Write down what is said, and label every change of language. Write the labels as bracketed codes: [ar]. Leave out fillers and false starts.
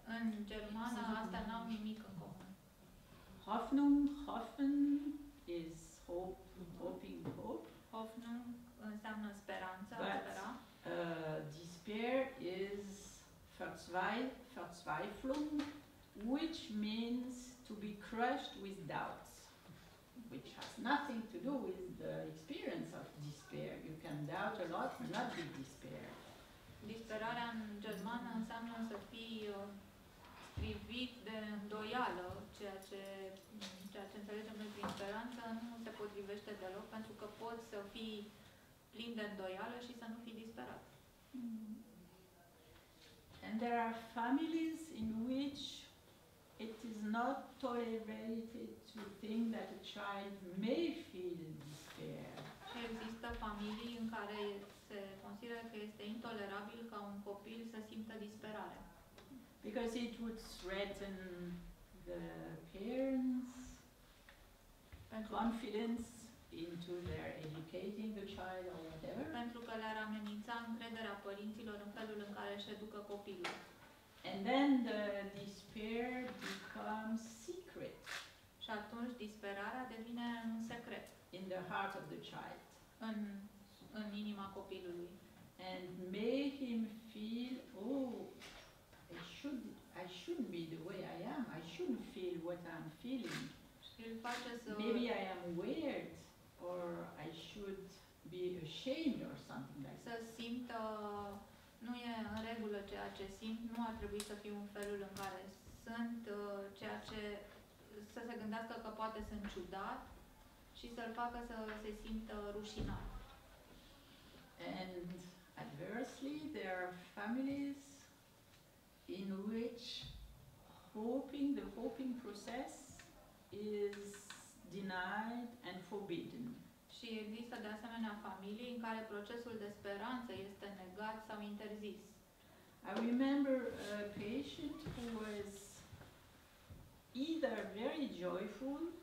[ro] În germană asta n-au nimic în comun. [en] Hoffnung, hoffen is hope. Hoping, hope. [ro] Hoffnung înseamnă speranță, [en] but, [ro] spera. [en] Despair is verzweiflung, which means to be crushed with doubts, which has nothing to do with the experience of despair. You can doubt a lot, but not be despair. [ro] Disperarea în germană înseamnă să fii privit de îndoială, ceea ce înțelegem noi prin speranță nu se potrivește deloc, pentru că poți să fii plin de îndoială și să nu fii disperat. [en] And there are families in which it is not tolerated to think that a child may feel despair. [ro] Și există familii în care se consideră că este intolerabil ca un copil să simtă disperare. [en] Because it would threaten the parents' confidence into their educating the child or whatever. [ro] Pentru că le-ar amenința încrederea părinților în felul în care își educă copilul. [en] And then the despair becomes secret. [ro] Și atunci disperarea devine un secret. [en] In the heart of the child. [ro] În inima copilului. [en] And make him feel, I shouldn't be the way I am. I shouldn't feel what I'm feeling. Maybe I am weird, or I should be ashamed or something like that. [ro] Să simt nu e în regulă ceea ce simt, nu ar trebui să fiu în felul în care sunt, ceea ce să se gândească că poate sunt ciudat și să-l facă să se simtă rușinat. [en] And adversely, there are families in which the hoping process is denied and forbidden. [ro] Și există de asemenea familii în care procesul de speranță este negat sau interzis. [en] I remember a patient who was either very joyful.